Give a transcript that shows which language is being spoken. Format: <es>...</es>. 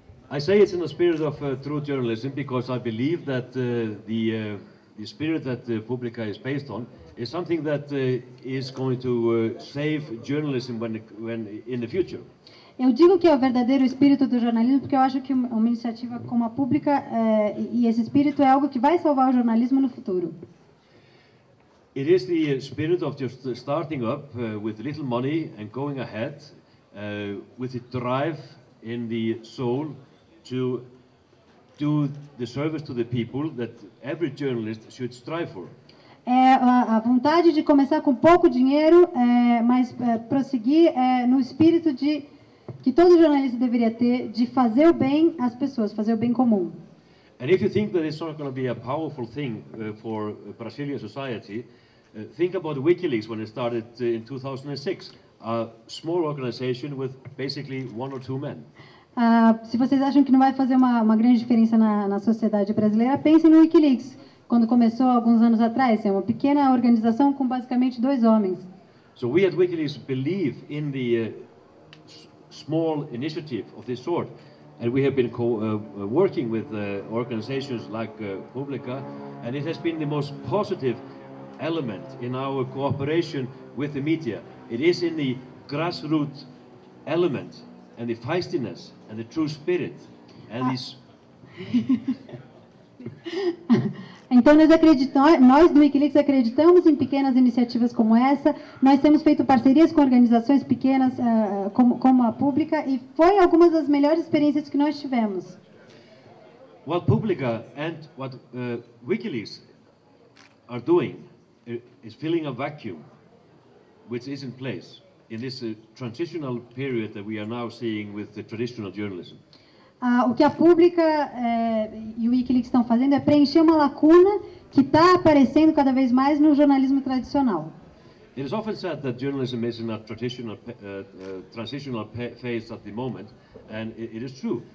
<en>I say it's in the spirit of true journalism because I believe that the spirit that Pública is based on is something that is going to save journalism when in the future.</en> <pt>Eu digo que é o verdadeiro espírito do jornalismo porque eu acho que uma iniciativa como a Pública e esse espírito é algo que vai salvar o jornalismo no futuro.</pt> <en>It is the spirit of just starting up with little money and going ahead with a drive in the soul to do the service to the people that every journalist should strive for.</en> <pt>É a vontade de começar com pouco dinheiro, mas prosseguir no espírito de que todo jornalista deveria ter de fazer o bem às pessoas, fazer o bem comum.</pt> <en>And if you think that it's not going to be a powerful thing for Brazilian society, think about WikiLeaks when it started in 2006, a small organization with basically one or two men.</en> <pt>Se vocês acham que não vai fazer uma grande diferença na sociedade brasileira, pensem no WikiLeaks, quando começou alguns anos atrás. É uma pequena organização com basicamente dois homens.</pt> <en>So we at WikiLeaks believe in the small initiative of this sort, and we have been working with organizations like Pública, and it has been the most positive element in our cooperation with the media. It is in the grassroots element and the feistiness and the true spirit and this.</en> <pt>Então nós do WikiLeaks acreditamos em pequenas iniciativas como essa. Nós temos feito parcerias com organizações pequenas como a Pública e foi algumas das melhores experiências que nós tivemos.</pt> <en>What Pública and what WikiLeaks are doing is filling a vacuum which is in place in this transitional period that we are now seeing with the traditional journalism.</en> <pt>O que a Pública e o WikiLeaks estão fazendo é preencher uma lacuna que está aparecendo cada vez mais no jornalismo tradicional.</pt> <en>It is often said that journalism is in a transitional phase at the moment, and it is true.</en>